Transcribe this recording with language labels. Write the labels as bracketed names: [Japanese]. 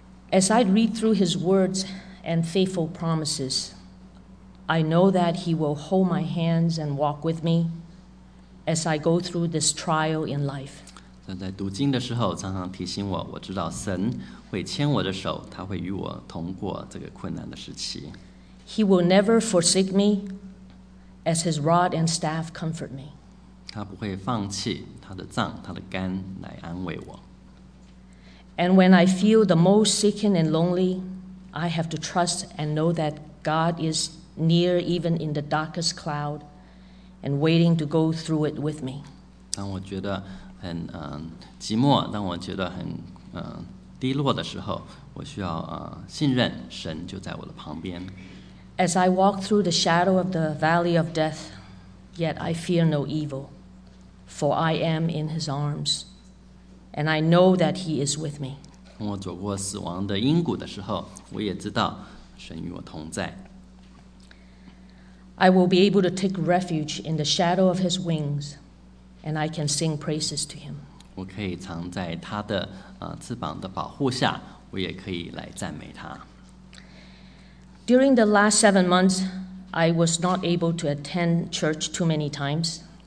[English] As I read through His words and faithful promises, I know that He will hold my hands and walk with me as I go through this trial in life. [Chinese] 在读经的时候常常提醒我，我知道神会牵我的手，他会与我同过这个困难的时期。 [English] He will never forsake me as his rod and staff comfort me. [Chinese] 他不会放弃他的杖他的竿来安慰我。 [English] And when I feel the most sick and lonely, I have to trust and know that God is near even in the darkest cloud and waiting to go through it with me. [Chinese] 当我觉得很寂寞，当我觉得很低落的时候，我需要信任神就在我的旁边。 [English] As I walk through the shadow of the valley of death, yet I fear no evil, for I am in His arms, and I know that He is with me. [Chinese] 当我走过死亡的阴谷的时候，我也知道神与我同在。 [English] I will be able to take refuge in the shadow of His wings. And I can sing praises to Him. [Chinese] 我可以藏在他的翅膀的保护下，我也可以来赞美他。 [English] During the last 7 months, I was not able to attend church too many times.